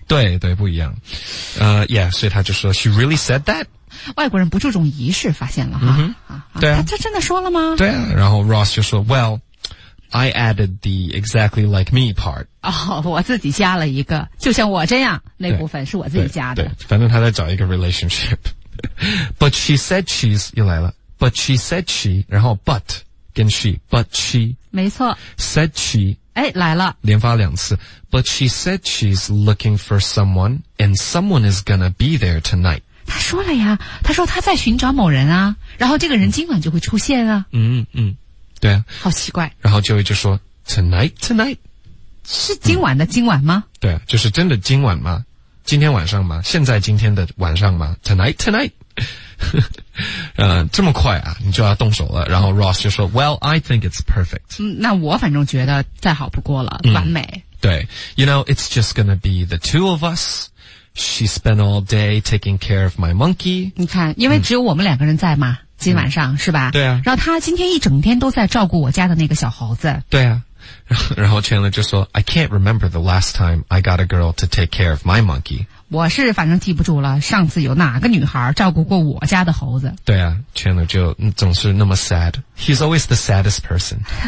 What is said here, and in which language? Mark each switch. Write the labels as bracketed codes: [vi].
[zh] 对对不一样。 [en] Yeah, [zh] 所以他就说 [en] she really said that? [zh] 外国人不注重仪式发现了哈。对啊。他真的说了吗对啊。然后 [en] Ross [zh] 就说 [en] well,I added the exactly like me part. [zh] 哦、 [en] oh, [zh] 我自己加了一个就像我这样那部分是我自己加的。对, 对反正他在找一个 relationship. [en] But she said she's, [zh] 又来了 [en] ,but she said she, [zh] 然后 [en] but, [zh] 跟 [en] she, but she, [zh] 没错 [en] said she, [zh] 哎来了连发两次 [en] ,but she said she's looking for someone, and someone is gonna be there tonight. [zh] 他说了呀他说他在寻找某人啊然后这个人今晚就会出现啊。嗯嗯。对啊好奇怪然后Joey就说 [en] Tonight, tonight [zh] 是今晚的今晚吗对啊就是真的今晚吗今天晚上吗现在今天的晚上吗 [en] Tonight, tonight [zh] 这么快啊你就要动手了然后 Ross 就说 [en] Well, I think it's perfect [zh] 那我反正觉得再好不过了完美对 [en] You know, it's just gonna be the two of us She spent all day taking care of my monkey [zh] 你看因为只有我们两个人在嘛今晚上是吧对啊然后他今天一整天都在照顾我家的那个小猴子对啊然后 [en] Chandler [zh] 就说 [en] I can't remember the last time I got a girl to take care of my monkey [zh] 我是反正记不住了上次有哪个女孩照顾过我家的猴子对啊 [en] Chandler [zh] 就总是那么 [en] sad He's always the saddest person